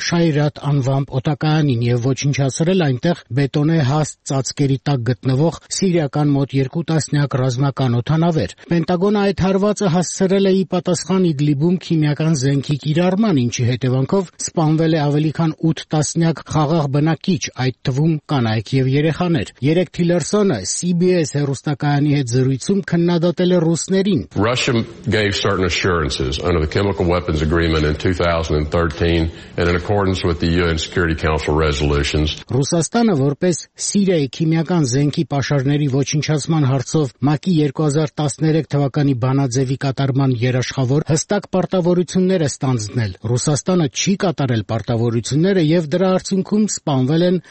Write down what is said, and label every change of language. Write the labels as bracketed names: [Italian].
[Armenian] Շայրատ անվամբ օտակայանին և ոչնչացրել այնտեղ բետոնե հաստ ծածկերի տակ գտնվող սիրիական մոտ 2 տասնյակ ռազմական օթանավեր։ Պենտագոնը այդ հարվածը հասցրել է ի պատասխան Իդլիբում քիմիական զենքի կիրառման, ինչի հետևանքով սպանվել է ավելի քան 8 տասնյակ խաղաղ բնակիչ, այդ թվում կանայք եւ երեխաներ։ Երեք Թիլերսոնը CBS հեռուստակայանի հետ զրույցում քննադատել է ռուսներին. [English] Russia gave certain assurances under the chemical weapons agreement in 2013 and in accordance with the UN Security Council resolutions. [Armenian] Ռուսաստանը որպես Սիրիայի քիմիական զենքի պաշարների ոչ ինչացման հարցով ՄԱԿ-ի 2013 թվականի բանաձևի կատարման երաշխավոր հստակ պարտավորություններ է ստանձնել։ Ռուսաստանը չի կատարել պարտավորությունները եւ դրա արդյունքում սպանվել են